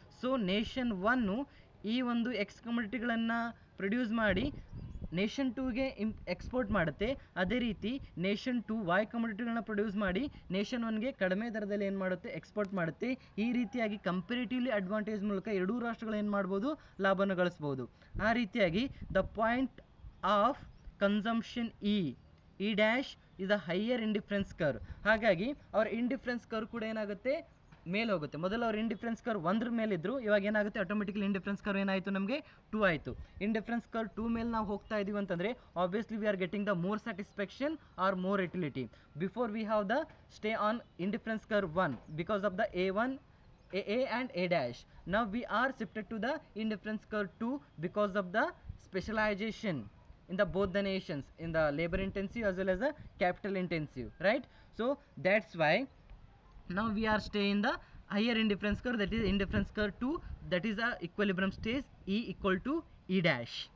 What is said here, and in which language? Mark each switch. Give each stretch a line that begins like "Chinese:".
Kannada: So nation one ಈ ಒಂದು X ಕಮಿಡಿಟಿಗಳನ್ನು produce ಮಾಡಿ ನೇಷನ್ ಟೂಗೆ ಎಕ್ಸ್ಪೋರ್ಟ್ ಮಾಡುತ್ತೆ. ಅದೇ ರೀತಿ ನೇಷನ್ ಟೂ ವೈ ಕಮಿಡಿಟಿಗಳನ್ನ ಪ್ರೊಡ್ಯೂಸ್ ಮಾಡಿ ನೇಷನ್ ಒನ್ಗೆ ಕಡಿಮೆ ದರದಲ್ಲಿ ಏನು ಮಾಡುತ್ತೆ? ಎಕ್ಸ್ಪೋರ್ಟ್ ಮಾಡುತ್ತೆ. ಈ ರೀತಿಯಾಗಿ ಕಂಪೆರಿಟಿವ್ಲಿ ಅಡ್ವಾಂಟೇಜ್ ಮೂಲಕ ಎರಡೂ ರಾಷ್ಟ್ರಗಳು ಏನು ಮಾಡ್ಬೋದು? ಲಾಭವನ್ನು ಗಳಿಸ್ಬೋದು. ಆ ರೀತಿಯಾಗಿ
English: The point of consumption E. E dash is a higher indifference curve.
Kannada: ಹಾಗಾಗಿ ಅವ್ರ ಇಂಡಿಫ್ರೆನ್ಸ್ ಕರ್ವ್ ಕೂಡ ಏನಾಗುತ್ತೆ, ಮೇಲೆ ಹೋಗುತ್ತೆ. ಮೊದಲು ಅವ್ರ ಇಂಡಿಫ್ರೆನ್ಸ್ ಕರ್ವ್ ಒಂದ್ರ ಮೇಲಿದ್ರು, ಇವಾಗ ಏನಾಗುತ್ತೆ, ಆಟೋಮೆಟಿಕಲಿ ಇಂಡಿಫ್ರೆನ್ಸ್ ಕರ್ವ್ ಏನಾಯಿತು ನಮಗೆ, ಟೂ ಆಯಿತು. ಇಂಡಿಫ್ರೆನ್ಸ್ ಕರ್ವ್ ಟೂ ಮೇಲೆ ನಾವು ಹೋಗ್ತಾ ಇದೀವಿ ಅಂತಂದರೆ
English: Obviously we are getting the more satisfaction or more utility. Before we have the stay on indifference curve 1 because of the E 1 E and E dash.
Kannada: ನಾವು
English: We are shifted to the indifference curve 2 because of the specialization in the both the nations, in the labor intensive as well as the capital intensive, right? So that's why now we are staying in the higher indifference curve, that is indifference curve 2, that is a equilibrium stage, E equal to E dash.